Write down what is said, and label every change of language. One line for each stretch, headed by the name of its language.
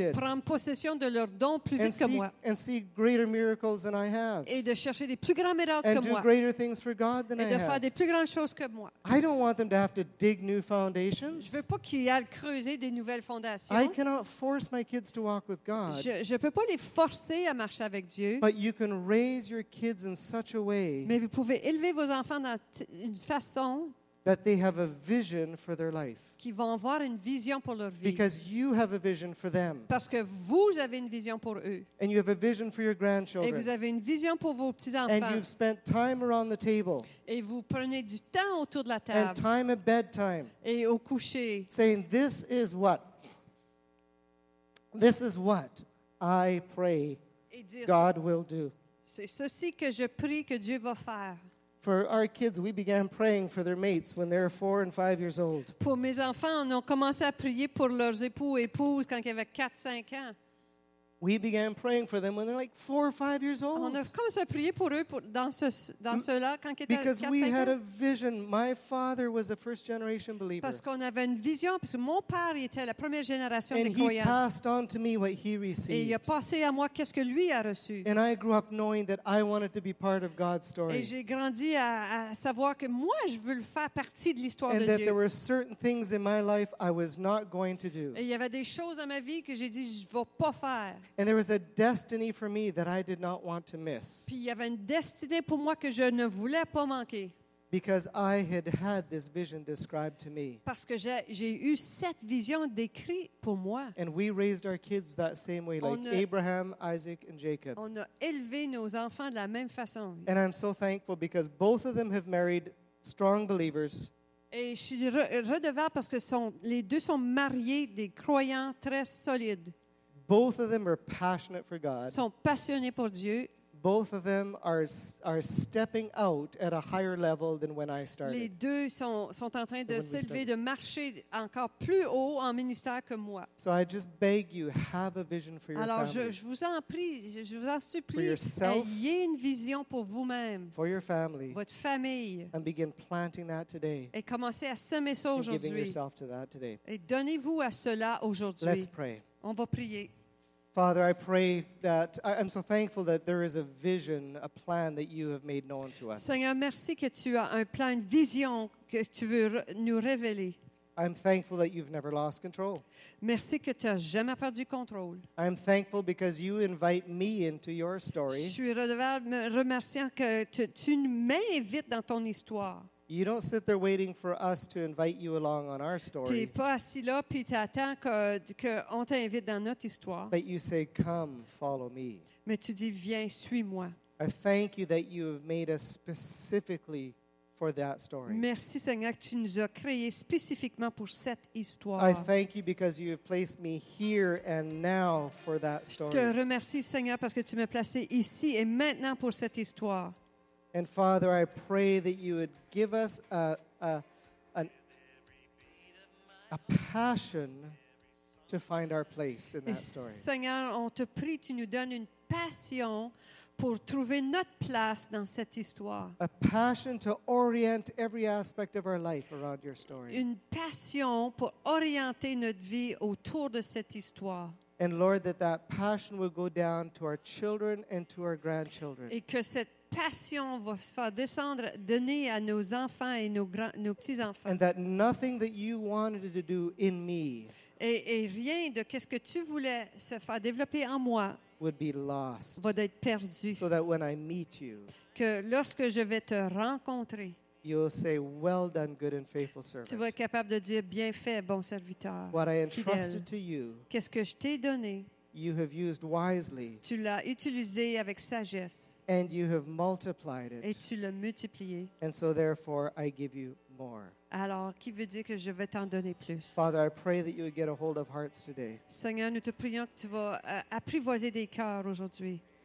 French: Et de prendre possession de leurs dons plus vite que moi.
English: And see greater miracles than I have.
French: Et de chercher des plus grands miracles
English: and
French: que moi.
English: And do greater things for God than I have.
French: Et de faire des plus grandes choses que moi.
English: I don't want them to have to dig new foundations.
French: Je veux pas qu'ils aillent creuser des nouvelles fondations.
English: I cannot force my kids to walk with God.
French: Je peux pas les forcer à marcher avec Dieu.
English: But you can raise your kids in such a way.
French: Mais vous pouvez élever vos enfants dans une façon
English: that they have a vision for their life.
French: Qu'ils vont avoir une vision pour leur vie.
English: Because you have a vision for them.
French: Parce que vous avez une vision pour eux.
English: And you have a vision for your grandchildren.
French: Et vous avez une vision pour vos petits-enfants.
English: And you've spent time around the table.
French: Et vous prenez du temps autour de la table.
English: And time at bedtime.
French: Et au coucher.
English: Saying, this is what? This is what I pray God will do.
French: C'est ceci que je prie que Dieu va faire.
English: For our kids, we began praying for their mates when they were 4 and 5 years old.
French: Pour mes enfants, on a commencé à prier pour leurs époux et épouses quand ils avaient 4-5 ans.
English: We began praying for them when they're like 4 or 5 years old.
French: On a commencé à prier pour eux pour, dans ce dans cela quand ils étaient
English: Because we had a vision. My father was a first generation believer.
French: Parce qu'on avait une vision parce que mon père était la première génération
English: And
French: des croyants.
English: And he passed on to me what he received.
French: Et il a passé à moi qu'est-ce que lui a reçu.
English: And I grew up knowing that I wanted to be part of God's story.
French: Et j'ai grandi à savoir que moi je veux faire partie de l'histoire
English: And
French: de
English: that
French: Dieu.
English: There were certain things in my life I was not going to do.
French: Et il y avait des choses dans ma vie que j'ai dit je vais pas faire.
English: And there was a destiny for me that I did not want to miss.
French: Puis il y avait une destinée pour moi que je ne voulais pas manquer.
English: Because I had had this vision described to me.
French: Parce que j'ai eu cette vision décrite pour moi.
English: And we raised our kids that same way, like Abraham, Isaac, and Jacob.
French: On a élevé nos enfants de la même façon.
English: And I'm so thankful because both of them have married strong believers.
French: Et je suis redevable parce que les deux sont mariés des croyants très solides.
English: Both of them are passionate for God.
French: Sont passionnés pour Dieu.
English: Both of them are stepping out at a higher level than when I started.
French: Les deux sont en train de s'élever, de marcher encore plus haut en ministère que moi.
English: So I just beg you, have a vision for your
French: Alors,
English: family.
French: Alors je vous en prie, je vous en supplie, ayez une vision pour vous-même,
English: for your family,
French: votre famille,
English: and begin planting that today.
French: Et commencez à semer ça aujourd'hui.
English: And giving yourself to that today.
French: Et donnez-vous à cela aujourd'hui.
English: Let's pray.
French: On va prier.
English: Father, I pray that I'm so thankful that there is a vision, a plan that you have made known to us.
French: Seigneur, merci que tu as un plan, une vision que tu veux nous révéler.
English: I'm thankful that you've never lost control.
French: Merci que tu as jamais perdu contrôle.
English: I'm thankful because you invite me into your story.
French: Je suis redevable, remerciant que tu m'invites dans ton histoire.
English: You don't sit there waiting for us to invite you along on our story.
French: T'es pas assis là puis t'attends que on t'invite dans notre histoire.
English: But you say, "Come, follow me."
French: Mais tu dis, viens, suis-moi.
English: I thank you that you have made us specifically for that story.
French: Merci Seigneur que tu nous as créés spécifiquement pour cette histoire.
English: I thank you because you have placed me here and now for that story.
French: Je te remercie Seigneur parce que tu m'as placé ici et maintenant pour cette histoire.
English: And Father, I pray that you would give us a passion to find our place in that story.
French: Seigneur, on te prie, tu nous donnes une passion pour trouver notre place dans cette histoire.
English: A passion to orient every aspect of our life around your story.
French: Une passion pour orienter notre vie autour de cette histoire.
English: And Lord, that passion will go down to our children and to our grandchildren.
French: Et que cette passion va se faire descendre, donner à nos enfants et nos petits-enfants.
English: And that nothing that you wanted to do in me
French: et rien de qu'est-ce que tu voulais se faire développer en moi
English: would be lost
French: va être perdu.
English: So that when I meet you,
French: que lorsque je vais te rencontrer,
English: you'll say, well done, good and faithful servant.
French: Tu vas être capable de dire, bien fait, bon serviteur,
English: what I entrusted To you,
French: qu'est-ce que je t'ai donné,
English: you have used wisely.
French: Tu l'as utilisé avec sagesse.
English: And you have multiplied it.
French: Et tu l'as multiplié.
English: And so therefore, I give you more.
French: Alors, qui veut dire que je vais t'en donner plus?
English: Father, I pray that you would get a hold of hearts today.
French: Seigneur, nous te prions que tu vas apprivoiser des cœurs aujourd'hui.